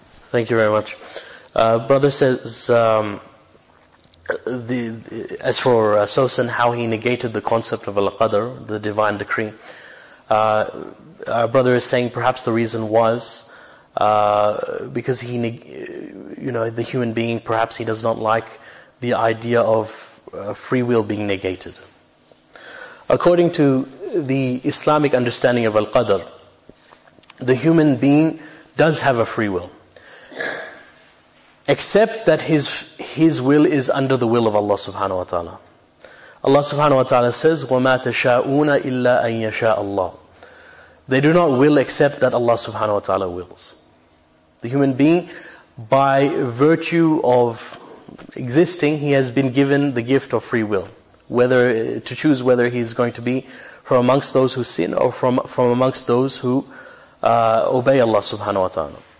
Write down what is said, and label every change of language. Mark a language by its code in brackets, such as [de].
[en] Thank you very much. Brother says, As for Sosan, how he negated the concept of al-qadr, the divine decree, our brother is saying perhaps the reason was because he, the human being, perhaps he does not like the idea of free will being negated. According to the Islamic understanding of al-qadr, the human being does have a free will, except that his will is under the will of Allah subhanahu wa ta'ala. Allah subhanahu wa ta'ala says, [ar] وَمَا تَشَاءُونَ إِلَّا أَن يَشَاءَ اللَّهُ. [en] They do not will except that Allah subhanahu wa ta'ala wills. The human being, by virtue of existing, he has been given the gift of free will, whether to choose whether he is going to be from amongst those who sin or from amongst those who obey Allah subhanahu wa ta'ala.